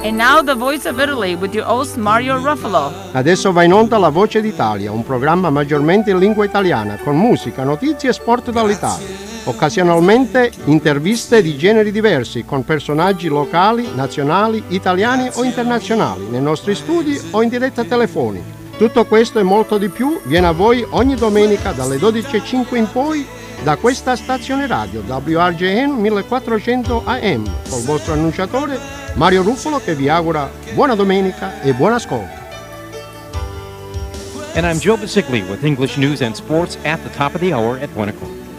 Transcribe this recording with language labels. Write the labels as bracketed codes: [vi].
[en] And now the voice of Italy with your host Mario Ruffalo. [it] Adesso va in onda la voce d'Italia, un programma maggiormente in lingua italiana, con musica, notizie e sport dall'Italia. Occasionalmente interviste di generi diversi con personaggi locali, nazionali, italiani o internazionali, nei nostri studi o in diretta telefonica. Tutto questo e molto di più viene a voi ogni domenica dalle 12.05 in poi da questa stazione radio WRJN 1400 AM col vostro annunciatore Mario Ruffalo che vi augura buona domenica e buon ascolto. [en] And I'm Joe Basicli with English News and Sports at the top of the hour at 1 o'clock.